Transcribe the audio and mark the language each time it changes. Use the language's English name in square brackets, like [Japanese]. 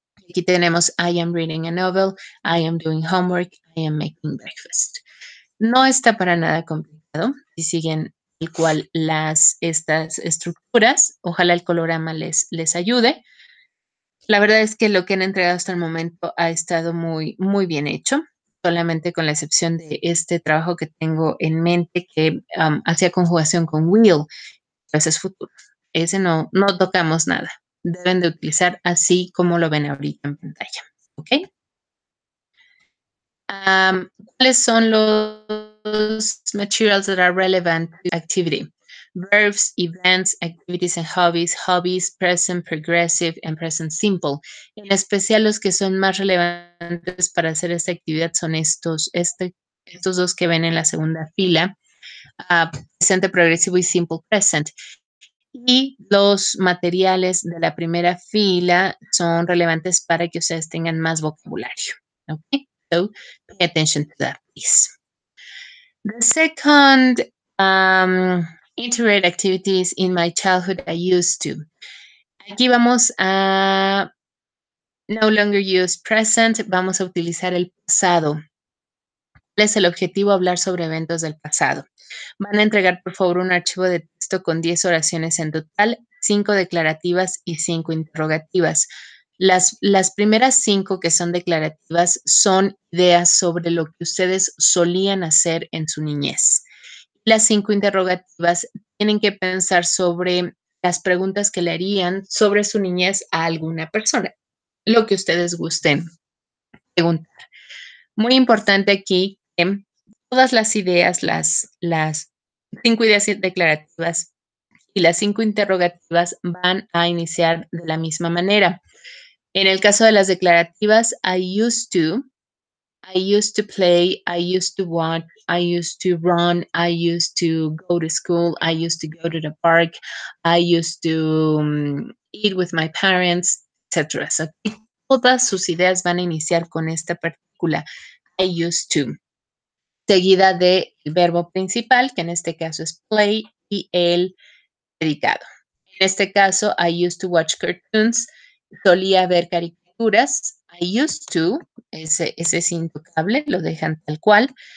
[Spanish] Aquí tenemos [English] I am reading a novel, I am doing homework, I am making breakfast. [Spanish] No está para nada complicado. Si siguen tal cual estas estructuras, ojalá el colorama les ayude. La verdad es que lo que han entregado hasta el momento ha estado muy, muy bien hecho, solamente con la excepción de este trabajo que tengo en mente que hacía conjugación con will, pues es futuro. Ese no tocamos nada. Deben de utilizar así como lo ven ahorita en pantalla. ¿Ok? ¿Cuáles son los [English] materials that are relevant to activity? Verbs, events, activities and hobbies, hobbies, present, progressive and present simple. [Spanish] En especial los que son más relevantes para hacer esta actividad son estos dos que ven en la segunda fila, presente progresivo y simple present. Y los materiales de la primera fila son relevantes para que ustedes tengan más vocabulario. ¿Okay? [English] So, pay attention to that, please. The second integrated activities in my childhood I used to. [Spanish] Aquí vamos a [English] no longer use present, [Spanish] vamos a utilizar el pasado. ¿Cuál es el objetivo? Hablar sobre eventos del pasado. Van a entregar, por favor, un archivo de texto con 10 oraciones en total, 5 declarativas y 5 interrogativas. Las primeras 5 que son declarativas son ideas sobre lo que ustedes solían hacer en su niñez. Las 5 interrogativas tienen que pensar sobre las preguntas que le harían sobre su niñez a alguna persona, lo que ustedes gusten preguntar. Muy importante aquí que todas las ideas, las 5 ideas declarativas y y las cinco interrogativas van a iniciar de la misma manera. En el caso de las declarativas, [English] I used to play, I used to watch, I used to run, I used to go to school, I used to go to the park, I used to eat with my parents, etc. [Spanish] So, todas sus ideas van a iniciar con esta partícula, I used to, seguida del verbo principal, que en este caso es play, y el predicado. En este caso, [English] I used to watch cartoons, [Spanish] solía ver caricaturas, I used to, ese es intocable, lo dejan tal cual.